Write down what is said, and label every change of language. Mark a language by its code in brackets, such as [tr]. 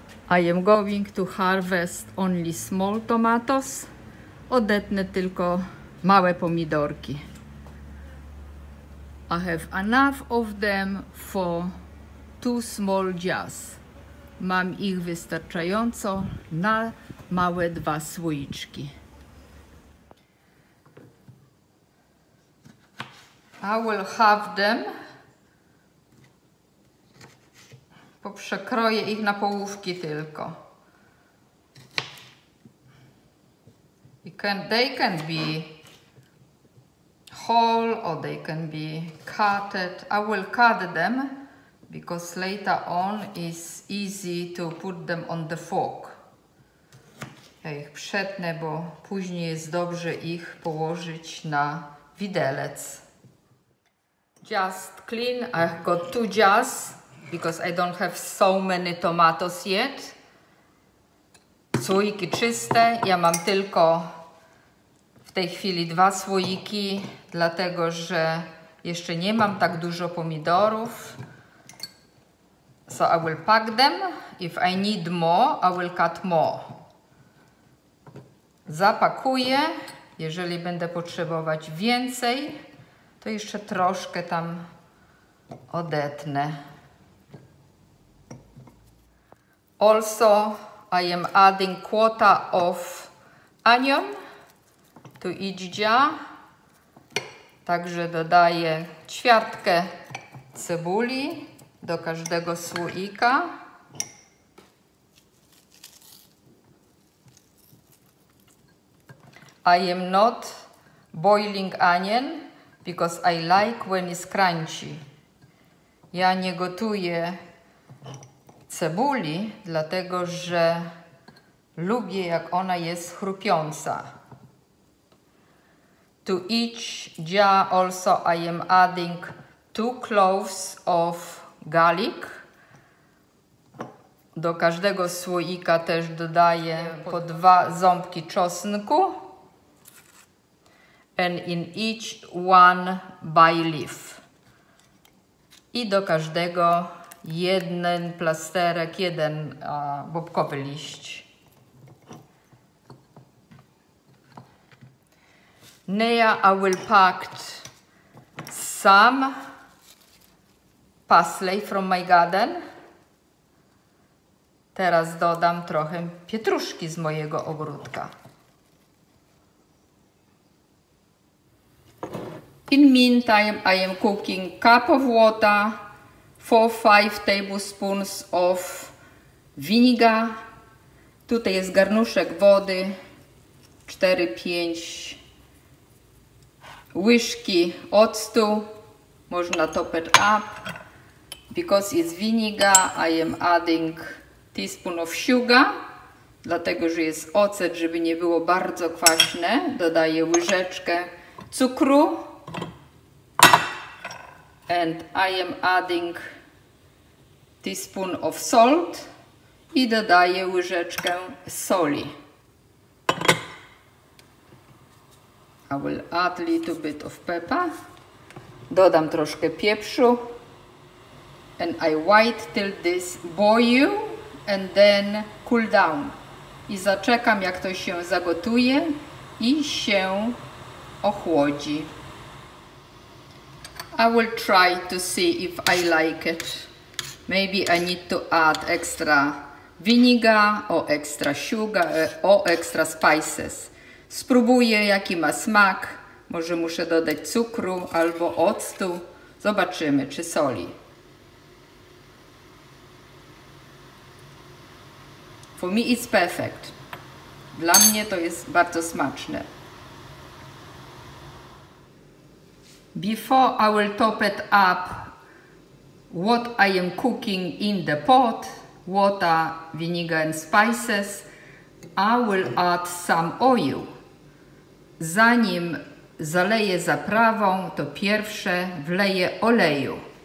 [en] I am going to harvest only small tomatoes. [pl] Odetnę tylko małe pomidorki. [en] I have enough of them for two small jars. [pl] Mam ich wystarczająco na małe dwa słoiczki. [en] I will have them. [pl] Poprzekroję ich na połówki tylko. [en] They can be whole or they can be cutted. I will cut them because later on is easy to put them on the fork. [pl] Ja ich przetnę, bo później jest dobrze ich położyć na widelec. [en] Just clean. I got two jars because I don't have so many tomatoes yet. [pl] Słoiki czyste. Ja mam tylko w tej chwili dwa słoiki, dlatego że jeszcze nie mam tak dużo pomidorów. [en] So I will pack them. If I need more, I will cut more. [pl] Zapakuję. Jeżeli będę potrzebować więcej, to jeszcze troszkę tam odetnę. [en] Also, I am adding quarter of onion to each jar. [pl] Także dodaję ćwiartkę cebuli do każdego słoika. [en] I am not boiling onion because I like when it's crunchy. [pl] Ja nie gotuję cebuli, dlatego że lubię, jak ona jest chrupiąca. [en] To each jar also I am adding two cloves of garlic. [pl] Do każdego słoika też dodaję po dwa ząbki czosnku. [en] And in each one bay leaf. [pl] I do każdego jeden plasterek, jeden bobkowy liść. [en] Now I will pack some parsley from my garden. [pl] Teraz dodam trochę pietruszki z mojego ogródka. [en] In meantime, I am cooking cup of water, 4-5 tablespoons of vinegar. [pl] Tutaj jest garnuszek wody, 4-5 łyżki octu. Można [en] top it up. Because it's vinegar, I am adding teaspoon of sugar. [pl] Dlatego, że jest ocet, żeby nie było bardzo kwaśne, dodaję łyżeczkę cukru. [en] And I am adding teaspoon of salt [pl] i dodaję łyżeczkę soli. [en] I will add little bit of pepper. [pl] Dodam troszkę pieprzu. [en] And I wait till this boil and then cool down. [pl] I zaczekam, jak to się zagotuje i się ochłodzi. [en] I will try to see if I like it. Maybe I need to add extra vinegar or extra sugar or extra spices. [pl] Spróbuję, jaki ma smak. Może muszę dodać cukru albo octu. Zobaczymy, czy soli. [en] For me it's perfect. [pl] Dla mnie to jest bardzo smaczne. [en] Before I will top it up, what I am cooking in the pot, water, vinegar and spices, I will add some oil. [pl] Zanim zaleję zaprawą, to pierwsze wleję oleju.